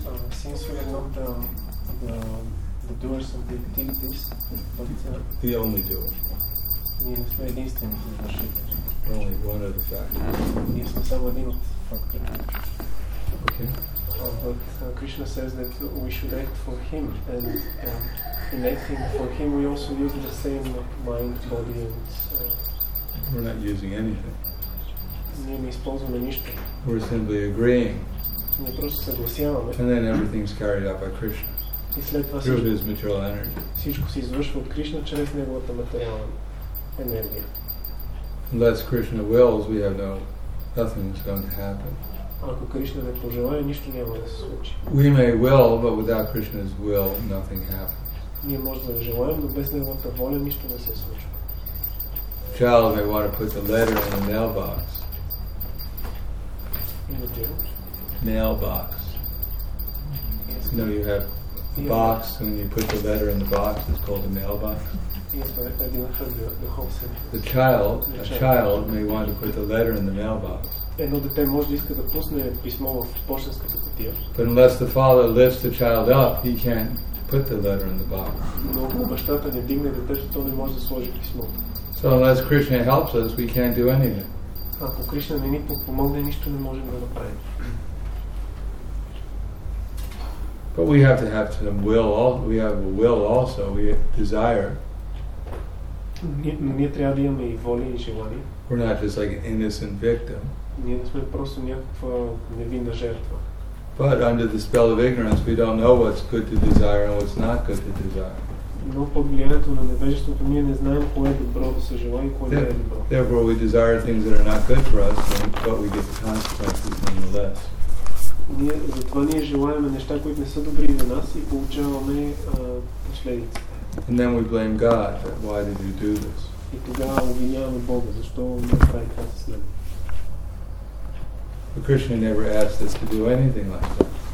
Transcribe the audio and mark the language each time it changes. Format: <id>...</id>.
<en>Since we are not the doers of the activities, but the only doer.</en> <bg>Ние не сме единствените извършители.</bg> <en>Only one of the factors.</en> <bg>Ние сме само един от факторите.</bg> <en>Okay. But Krishna says that we should act for Him, and in acting for Him, we also use the same mind, body, and... We're not using anything.</en> <bg>Ние не използваме нищо.</bg> <en>We're simply agreeing.</en> <bg>Ние просто съгласяваме.</bg> <en>And then everything's carried out by Krishna.</en> <bg>И след това</bg> <en>through His material energy.</en> <bg>Всичко се извършва от Кришна чрез Неговата материална енергия.</bg> <en>Unless Krishna wills, we have nothing's going to happen.</en> <bg>Ако Кришна не пожелае, нищо няма да се случи.</bg> <en>We may will, but without Krishna's will, nothing happens.</en> <bg>Ние може да желаем, но без Неговата воля нищо не се случва.</bg> <en>Child may want to put the letter in the mailbox. In the mailbox. Yes. You know, you have a box, and you put the letter in the box. It's called a mailbox. Yes, but I didn't have the whole sentence. A child may want to put the letter in the mailbox.</en> <bg>Едно дете може да иска да пусне писмо в пощенската кутия.</bg> <en>But unless the father lifts the child up, he can't put the letter in the box.</en> <bg>Но ако бащата не дигне детето, то не може да сложи писмото.</bg> <en>So unless Krishna helps us, we can't do anything.</en> <bg>Ако Кришна не ни подпомогне, нищо не можем да направим.</bg> <en>But we have to have some will. We have a will also. We have desire.</en> <bg>Ние трябва да имаме и воля и желание.</bg> <en>We're not just like an innocent victim.</en> <bg>Ние не сме просто някаква невинна жертва.</bg> <en>But under the spell of ignorance, we don't know what's good to desire and what's not good to desire.</en> <bg>Но под влиянието на невежеството ние не знаем кое е добро да се желае и кое не е добро.</bg> <en>Therefore, we desire things that are not good for us, but we get the consequences nonetheless.</en> <bg>Ние затова ние желаеме неща, които не са добри за нас и получаваме последиците.</bg> <en>And then we blame God. Why did you do this?</en> <bg>И тогава обвиняваме Бога. Защо направи това с нас?</bg> <en>But Krishna never asked us to do anything like that.</en>